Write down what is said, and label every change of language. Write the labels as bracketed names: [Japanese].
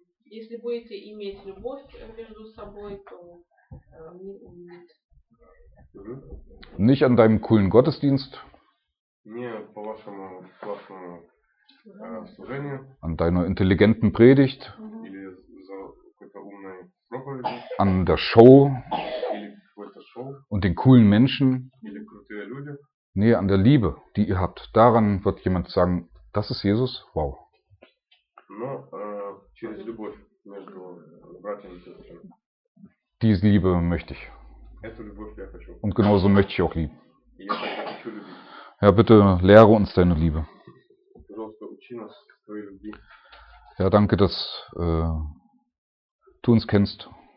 [Russian] Если будете иметь любовь между собой, то мир увидит. [German] Nicht an deinem coolen Gottesdienst. [Russian] Не по вашему классному служению. [German] An deiner intelligenten Predigt. [Russian] Или за какой-то умной проповеди. [German] An der Show. [Russian] Или какой-то Show. [German] Und den coolen Menschen. [Russian] Или крутые люди. [German] Nee, an der Liebe, die ihr habt. Daran wird jemand sagen, das ist Jesus, wow. [Russian] Но через любовь между братьями и сестрами. [German] Diese Liebe möchte ich. [Russian] Эту любовь я хочу. [German] Und genauso möchte ich auch lieben. [Russian] Я так хочу любить. [German] Ja, bitte lehre uns deine Liebe. [Russian] Пожалуйста, учи нас твоей любви. [German] Ja, danke, dass du uns kennst.